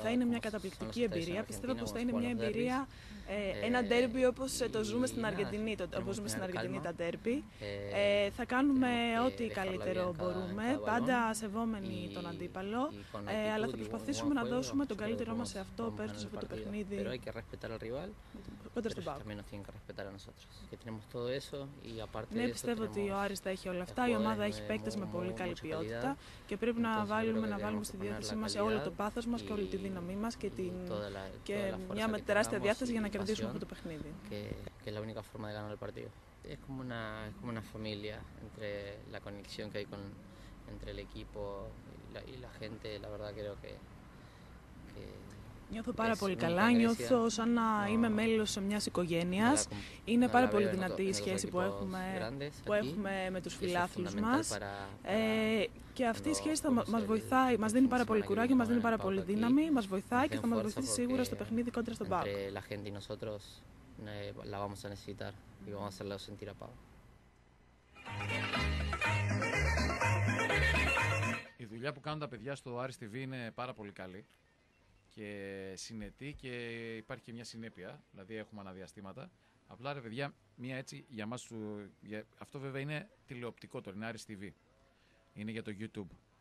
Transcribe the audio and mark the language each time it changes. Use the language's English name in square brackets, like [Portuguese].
[Greek] Θα είναι μια καταπληκτική εμπειρία. Πιστεύω πως θα είναι μια εμπειρία, ένα ντέρμπι όπως το ζούμε στην Αργεντινή, όπως ζούμε στην Αργεντινή τα ντέρμπι. Θα κάνουμε ό,τι καλύτερο μπορούμε, πάντα σεβόμενοι τον αντίπαλο, αλλά θα προσπαθήσουμε να δώσουμε τον καλύτερό μας σε αυτό, πέρα σε αυτό το παιχνίδι. [Spanish] Pero hay que respetar al rival, pero también nos tienen que respetar a nosotros. Que tenemos todo eso y aparte de eso. [Greek] Ναι, πιστεύω ότι ο Άρης τα έχει όλα αυτά, η ομάδα έχει παίκτες με πολύ καλή ποιότητα και πρέπει να βάλουμε στη διάθεσή μας όλο το πάθος μας και όλη τη δύναμή μας και, και μια τεράστια διάθεση για να κερδίσουμε αυτό το παιχνίδι. [Spanish] Και la única forma de ganar el partido. Es como una familia entre la conexión que hay con, entre el equipo y la gente. La verdad creo que, que [Greek] νιώθω πάρα πολύ καλά, νιώθω σαν να είμαι μέλος μιας οικογένειας. Είναι πάρα πολύ δυνατή η σχέση που έχουμε με τους φιλάθλους μας. Και αυτή η σχέση θα μας βοηθάει, μας δίνει πάρα πολύ κουράγιο, μας δίνει πάρα πολύ δύναμη, μας βοηθάει και θα μας βοηθήσει σίγουρα στο παιχνίδι κόντρα στον ΠΑΟΚ. [Spanish] La gente y nosotros la vamos a necesitar y vamos a hacerla sentir a ΠΑΟΚ. [Greek] Η δουλειά που κάνουν τα παιδιά στο Άρης TV είναι πάρα πολύ καλή και συνετή και υπάρχει και μια συνέπεια, δηλαδή έχουμε αναδιαστήματα. Απλά ρε παιδιά, μια έτσι για μας, αυτό βέβαια είναι τηλεοπτικό τώρα, είναι Άρης TV. Είναι για το YouTube.